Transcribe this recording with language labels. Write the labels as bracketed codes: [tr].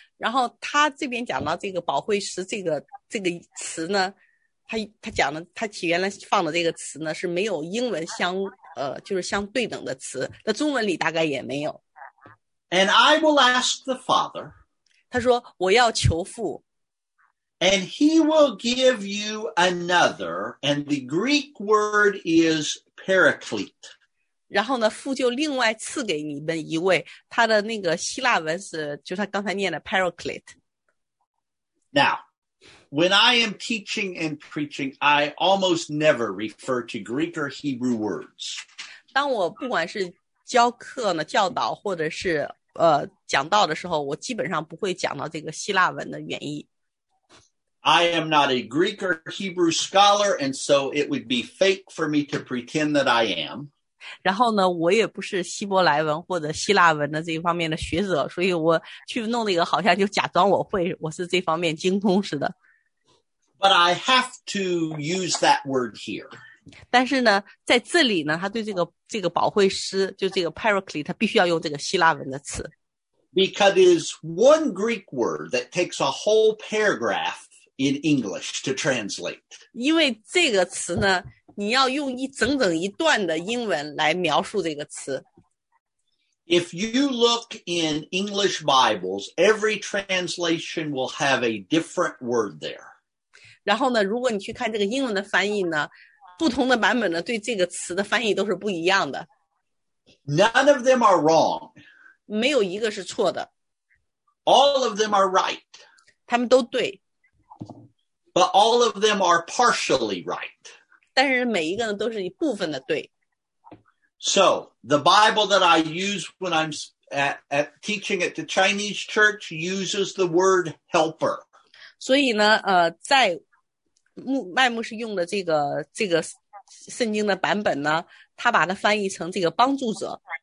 [zh] 然后他这边讲到这个保惠师这个词呢，他讲的他起原来放的这个词呢是没有英文相就是相对等的词，那中文里大概也没有。 [en] And I will ask the Father. [zh] 他说我要求父。 [en] And he will give you another, and the Greek word is paraclete. [zh] 然后呢，父就另外赐给你们一位，他的那个希腊文是，就是他刚才念的 paraclete. [en] Now, when I am teaching and preaching, I almost never refer to Greek or Hebrew words. [zh] 当我不管是教课呢、教导或者是讲道的时候，我基本上不会讲到这个希腊文的原意。 [en] I am not a Greek or Hebrew scholar, and so it would be fake for me to pretend that I am. [zh] 然后呢，我也不是希伯来文或者希腊文的这一方面的学者，所以我去弄那个好像就假装我会，我是这方面精通似的。 [en] But I have to use that word here. [zh] 但是呢，在这里呢，他对这个保惠师，就这个 paraclete, 他必须要用这个希腊文的词。 [en] Because it is one Greek word that takes a whole paragraph in English to translate. [zh] 因为这个词呢，你要用一整整一段的英文来描述这个词。 [en] If you look in English Bibles, every translation will have a different word there. [zh] 然后呢，如果你去看这个英文的翻译呢，不同的版本呢，对这个词的翻译都是不一样的。 [en] None of them are wrong. [zh] 没有一个是错的。 [en] All of them are right. [zh] 他们都对。 [en] But all of them are partially right. [zh] 但是每一个呢都是一部分的对。 [en] So, the Bible that I use when I'm at teaching at the Chinese church uses the word helper. [zh] 所以呢在麦牧师用的这个圣经的版本呢，他把它翻译成这个帮助者。